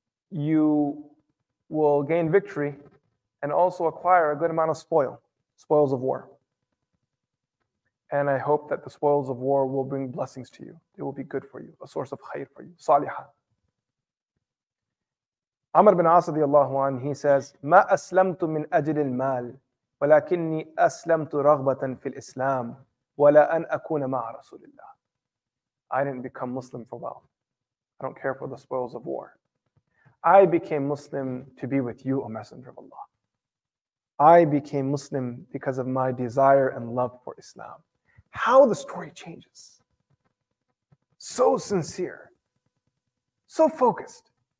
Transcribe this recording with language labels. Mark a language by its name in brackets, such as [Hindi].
[English] You will gain victory and also acquire a good amount of spoils of war. And I hope that the spoils of war will bring blessings to you. It will be good for you, a source of khayr for you, salihah. [Arabic] Amr ibn As radiallahu anhu, [English] he says, [Arabic] مَا أَسْلَمْتُ مِنْ أَجْلِ الْمَالِ وَلَكِنِّي أَسْلَمْتُ رَغْبَةً فِي الْإِسْلَامِ وَلَا أَنْ أَكُونَ مَعَ رَسُولِ اللَّهِ. [English] I didn't become Muslim for wealth. I don't care for the spoils of war. I became Muslim to be with you, O Messenger of Allah. I became Muslim because of my desire and love for Islam. How the story changes. So sincere. So focused.